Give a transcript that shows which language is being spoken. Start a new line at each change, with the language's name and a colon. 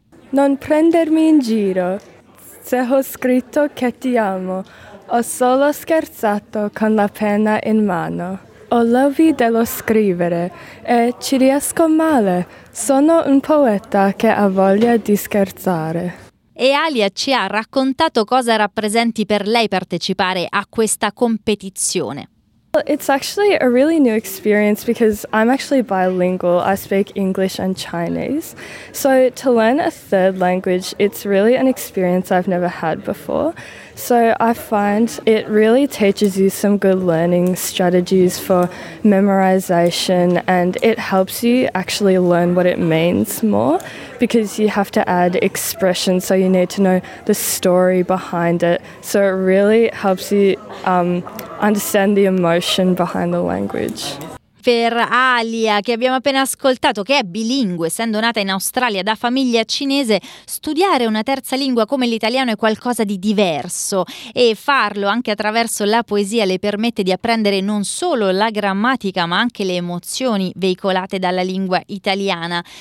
Italian: Non prendermi in giro, se ho scritto che ti amo, ho solo scherzato con la penna in mano. Ho l'avvi dello scrivere e ci riesco male. Sono un poeta che ha voglia di scherzare. E Alia ci ha raccontato cosa rappresenti per lei partecipare a questa competizione.
English: Well, it's actually a really new experience because I'm actually bilingual. I speak English and Chinese. So to learn a third language, it's really an experience I've never had before. So I find it really teaches you some good learning strategies for memorization, and it helps you actually learn what it means more because you have to add expression, so you need to know the story behind it. So it really helps you understand the emotion behind the language.
Italian: Per Alia, che abbiamo appena ascoltato, che è bilingue, essendo nata in Australia da famiglia cinese, studiare una terza lingua come l'italiano è qualcosa di diverso e farlo anche attraverso la poesia le permette di apprendere non solo la grammatica ma anche le emozioni veicolate dalla lingua italiana.